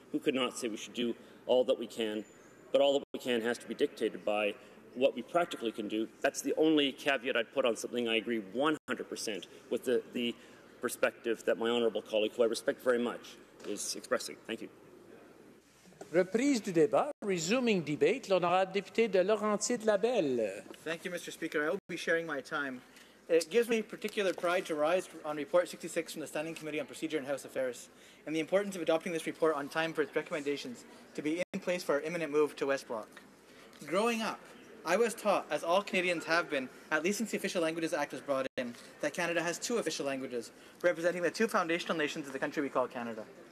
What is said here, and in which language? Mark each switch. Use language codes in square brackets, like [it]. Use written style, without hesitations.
[en] Who could not say we should do all that we can? But all that we can has to be dictated by what we practically can do. That's the only caveat I'd put on something. I agree 100% with the perspective that my honourable colleague, who I respect very much, is expressing. Thank you. [fr] Reprise du débat, [en] resuming debate, [fr] l'honorable député de Laurentier-de-Labelle. [en] Thank you, Mr. Speaker. I will be sharing my time. It gives me particular pride to rise on Report 66 from the Standing Committee on Procedure and House Affairs, and the importance of adopting this report on time for its recommendations to be in place. place for our imminent move to West Brock. Growing up, I was taught, as all Canadians have been, at least since the Official Languages Act was brought in, that Canada has two official languages, representing the two foundational nations of the country we call Canada.